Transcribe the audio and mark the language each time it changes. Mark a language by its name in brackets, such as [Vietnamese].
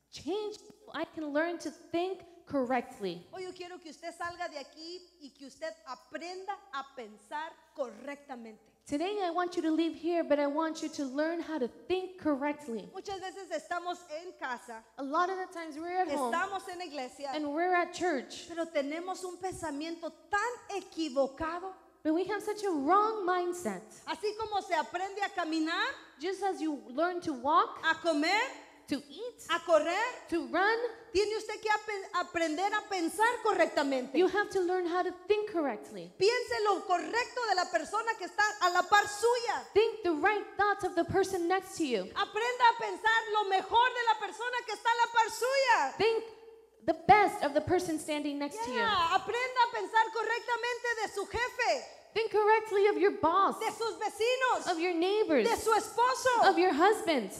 [English] Change so I can learn to think correctly. [Spanish] Hoy yo quiero que usted salga de aquí y que usted aprenda a pensar correctamente. [English] Today I want you to leave here, but I want you to learn how to think correctly. [Spanish] Muchas veces estamos en casa. [English] A lot of the times we're at home. [Spanish] Estamos en iglesia. [English] And we're at church. [Spanish] Pero tenemos un pensamiento tan equivocado. [English] But we have such a wrong mindset. [Spanish] Así como se aprende a caminar. [English] Just as you learn to walk. [Spanish] A comer. [English] to eat, [Spanish] a correr, [English] to run. [Spanish] Tiene usted que aprender a pensar correctamente. [English] You have to learn how to think correctly. [Spanish] Piense lo correcto de la persona que está a la par suya. [English] Think the right thoughts of the person next to you. [Spanish] Aprenda a pensar lo mejor de la persona que está a la par suya. [English] Think the best of the person standing next yeah, to you. [Spanish] Aprenda a pensar correctamente de su jefe. [English] Think correctly of your boss. [Spanish] De sus vecinos. [English] Of your neighbors. [Spanish] De su esposo. [English] Of your husbands.